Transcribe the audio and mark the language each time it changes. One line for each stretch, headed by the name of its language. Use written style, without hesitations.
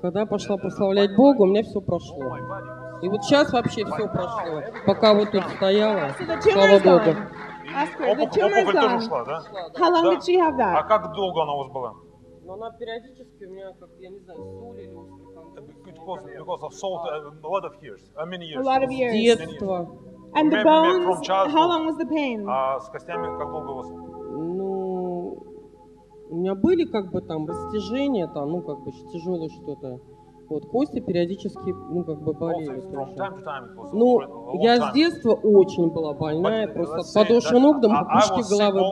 Russian: Когда я пошла прославлять Бога, у меня все прошло. И вот сейчас вообще все прошло, пока вот тут стояла, слава Богу. Опухоль тоже ушла, да?
English: How long did she have that?
Russian: А как долго она у вас была? Но она периодически у меня соль или
English: Because of salt, a lot of years, many years. A lot of years.
Russian: С детства.
English: And the bones, how long was the pain?
Russian: А с костями как долго у вас? У меня были растяжения, тяжелое что-то. Вот кости периодически, болели. Я с детства очень была больная, просто от подошвы ног до макушки головы.